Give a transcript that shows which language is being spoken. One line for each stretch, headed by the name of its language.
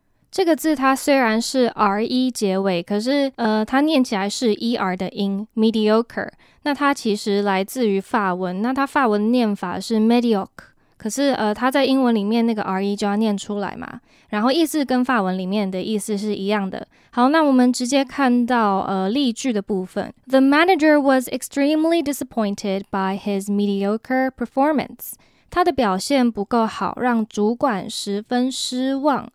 Chinese: 这个字它虽然是 re 结尾，可是它念起来是 er 的音 mediocre。那它其实来自于法文，那它法文念法是 mediocre， 可是它在英文里面那个 re 就要念出来嘛，然后意思跟法文里面的意思是一样的。好，那我们直接看到例句的部分。
English: The manager was extremely disappointed by his mediocre performance.
Chinese: 他的表现不够好，让主管十分失望。